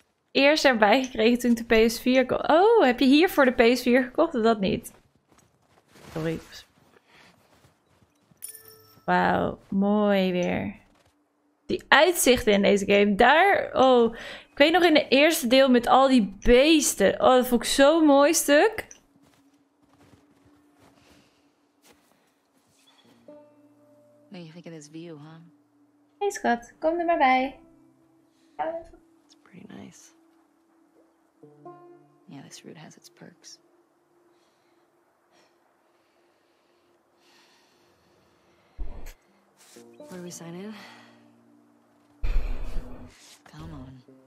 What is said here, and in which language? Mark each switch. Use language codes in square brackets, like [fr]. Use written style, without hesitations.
[nl] Eerst erbij gekregen toen ik de PS4 kocht. Oh, heb je hier voor de PS4 gekocht of dat niet? Sorry. Wauw, mooi weer. Die uitzichten in deze game, daar. Oh, ik weet nog in het eerste deel met al die beesten. Oh, dat vond ik zo'n mooi stuk. [en] What do you think of this view, huh? [nl] Hey schat, kom er maar bij. [en] It's pretty nice. Yeah, this route has its perks. Where do we sign in? Come on.